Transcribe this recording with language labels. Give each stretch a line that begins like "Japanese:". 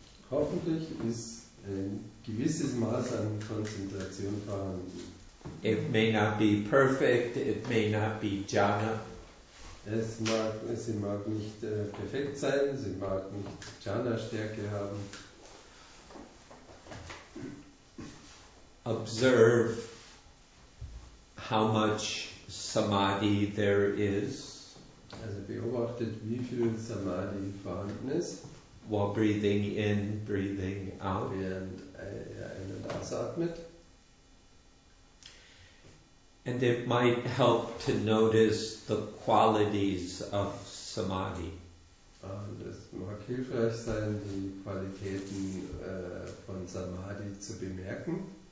German: Hoffentlich ist ein gewisses Maß an Konzentration vorhanden.
English: It may not be perfect, it may not be jhana.
German: Sie mag nicht perfekt sein, sie mag nicht Jhana-Stärke haben.
English: Observe how much Samadhi there is.
German: Also beobachtet, wie viel Samadhi vorhanden ist.
English: While breathing in, breathing out.
German: Während ein- und ausatmet.
English: And it might help to notice the qualities of Samadhi.
German: Und es mag hilfreich sein, die Qualitäten von Samadhi zu bemerken.